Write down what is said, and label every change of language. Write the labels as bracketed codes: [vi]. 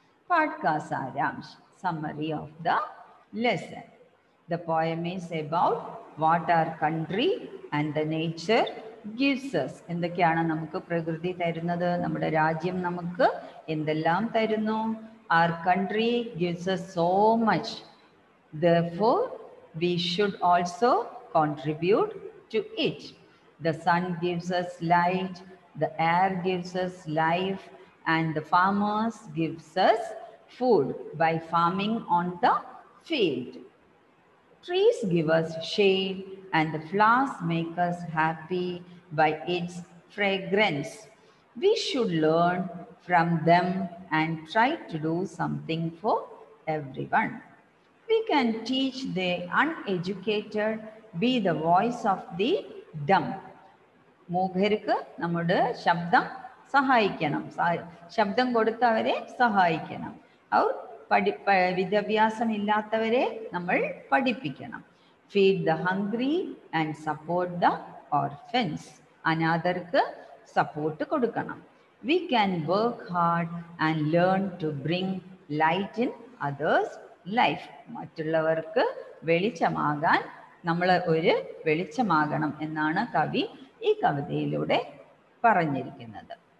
[en] Podcast സാരാംശ്, summary of the lesson. The poem is about what our country and the nature gives us, [ml] എന്തൊക്കെയാണ് നമുക്ക് പ്രകൃതി തരുന്നത്, നമ്മുടെ രാജ്യം നമുക്ക് എന്തെല്ലാം തരുന്നു. [en] Our country gives us so much, therefore we should also contribute to it. The sun gives us light, the air gives us life, and the farmers gives us food by farming on the field. Trees give us shade, and the flowers make us happy by its fragrance. We should learn from them and try to do something for everyone. We can teach the uneducated, be the voice of the dumb. [ml] മൂഗർക്ക് നമ്മുടെ ശബ്ദം സഹായിക്കണം, ശബ്ദം കൊടുത്തവരെ സഹായിക്കണം. അവർ വിദ്യാഭ്യാസം ഇല്ലാത്തവരെ നമ്മൾ പഠിപ്പിക്കണം. [en] Feed the hungry and support the orphans. [ml] അനാഥർക്ക് support കൊടുക്കണം. [en] We can work hard and learn to bring light in others' life. [ml] മറ്റുള്ളവർക്ക് വെളിച്ചമാകാൻ നമ്മൾ ഒരു വെളിച്ചമാകണം എന്നാണ് കവി ഈ കവിതയിലൂടെ പറഞ്ഞിരിക്കുന്നത്.